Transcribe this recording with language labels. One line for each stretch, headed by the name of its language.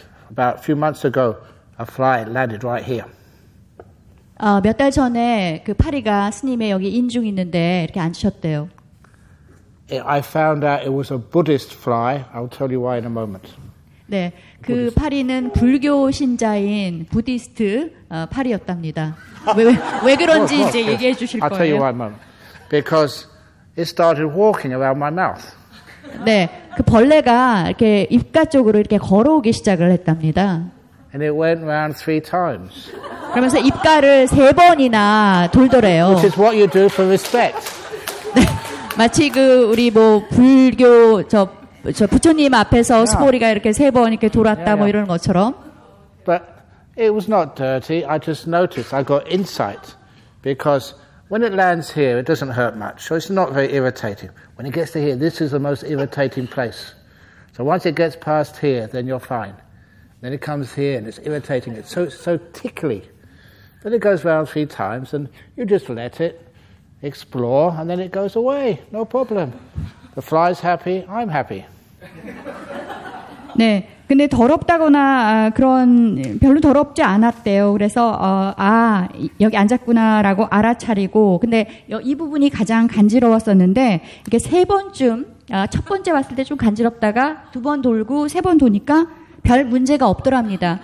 English: About a few months ago, a fly landed right here.
Korean: 몇 달 전에 그 파리가 스님의 여기 인중 있는데 이렇게 앉으셨대요.
English: I found out it was a Buddhist fly. I'll tell you why in a moment.
Korean: 네, 그 Buddhist. 파리는 불교 신자인 부디스트 파리였답니다. 왜 그런지 이제 얘기해 주실 거예요.
English: I'll tell you why in a moment. Because it started walking around my mouth.
Korean: 네, 그 벌레가 이렇게 입가 쪽으로 이렇게 걸어오기 시작을 했답니다.
English: And it went around three times.
Korean: 그러면서 입가를 세 번이나 돌더래요.
English: Which is what you do for respect.
Korean: 마치 그 우리 뭐 불교 저 부처님 앞에서 수보리가 이렇게 세 번 이렇게 돌았다 뭐 이런 것처럼.
English: But it was not dirty. I just noticed. I got insight because when it lands here, it doesn't hurt much, so it's not very irritating. When it gets to here, this is the most irritating place. So once it gets past here, then you're fine. Then it comes here and it's irritating. It's so tickly. Then it goes round three times and you just let it. Explore and then it goes away. No problem. The fly's happy. I'm happy.
Korean: 네, 근데 더럽다거나 그런 별로 더럽지 않았대요. 그래서 여기 앉았구나라고 알아차리고, 근데 이 부분이 가장 간지러웠었는데 이게 세 번쯤 첫 번째 왔을 때 좀 간지럽다가 두 번 돌고 세 번 도니까 별 문제가 없더랍니다.